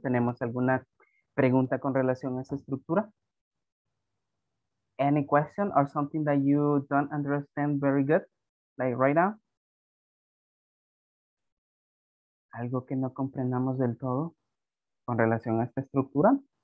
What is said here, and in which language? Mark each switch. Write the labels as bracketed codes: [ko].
[es] ¿Tenemos alguna pregunta con relación a esa estructura? [en] Any question or something that you don't understand very good, like right now? [es] ¿Algo que no comprendamos del todo con relación a esta estructura?